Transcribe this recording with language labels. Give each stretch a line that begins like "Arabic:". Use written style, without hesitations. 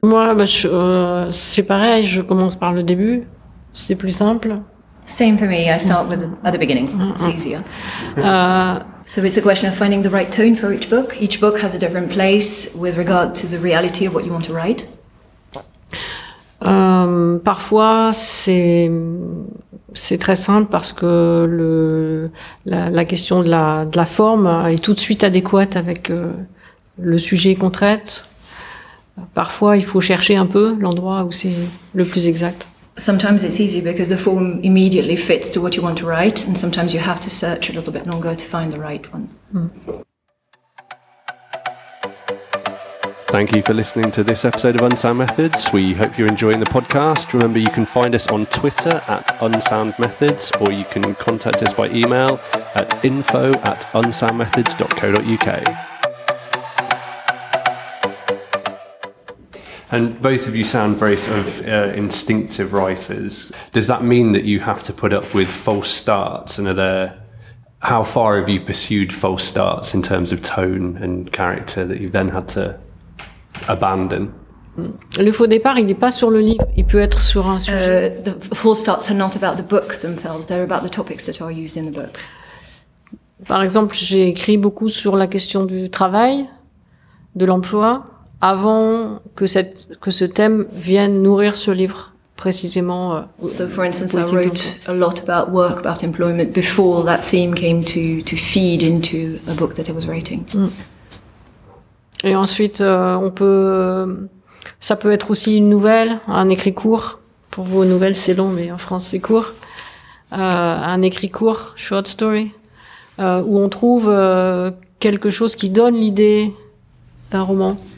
French: moi, c'est pareil. Je commence par le début. C'est plus simple.
English: Same for me. I start with at the beginning. It's easier. So it's a question of finding the right tone for each book. Each book has a different place with regard to the reality of what you want to write.
French: Parfois, c'est très simple parce que la question de la forme est tout de suite adéquate avec le sujet qu'on traite. Parfois, il faut chercher un peu l'endroit où c'est le plus exact.
English: Sometimes it's easy because the form immediately fits to what you want to write, and sometimes you have to search a little bit longer to find the right one. Thank you for listening to this episode of Unsound Methods. We hope you're enjoying the podcast. Remember, you can find us on Twitter at Unsound Methods, or you can contact us by email at info@unsoundmethods.co.uk. And both of you sound very sort of instinctive writers. Does that mean that you have to put up with false starts? And are there How far have you pursued false starts in terms of tone and character that you've then had to abandon?
French: Le faux départ, il n'est pas sur le livre. Il peut être sur un sujet.
English: The false starts are not about the books themselves. They're about the topics that are used in the books.
French: Par exemple, j'ai écrit beaucoup sur la question du travail, de l'emploi, avant que ce thème vienne nourrir ce livre précisément.
English: So, for instance, I wrote a lot about work, about employment, before that theme came to feed into a book that I was writing. Mm.
French: Et ensuite, ça peut être aussi une nouvelle, un écrit court. Pour vous, nouvelle, c'est long, mais en France, c'est court. Un écrit court, short story, où on trouve quelque chose qui donne l'idée d'un roman.